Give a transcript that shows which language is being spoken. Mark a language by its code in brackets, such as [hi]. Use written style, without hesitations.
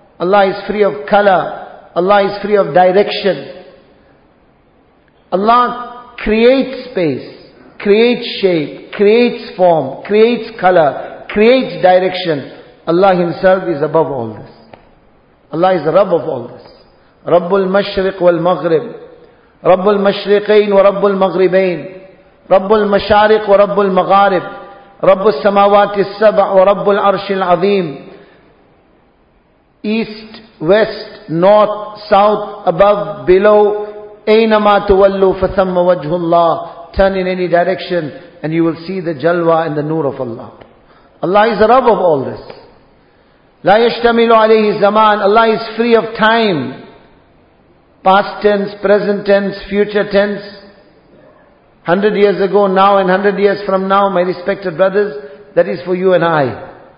[en] Allah is free of color. Allah is free of direction. Allah creates space, creates shape, creates form, creates color, creates direction. Allah Himself is above all this. Allah is the Rabb of all this. [ar] Rabbul Mashriq wal Maghrib. رب المشرقين ورب المغربين، رب المشارق ورب المغارب، رب السماوات السبع ورب العرش العظيم، [en] east, west, north, south, above, below, [ar] أينما تولوا فثم وجه الله. [en] Turn in any direction and you will see the jalwa and the nur of Allah. Allah is the Rabb of all this. [ar] لا يشتمل عليه زمان. [en] Allah is free of time. Past tense, present tense, future tense. 100 years ago, now, and 100 years from now, my respected brothers, that is for you and I.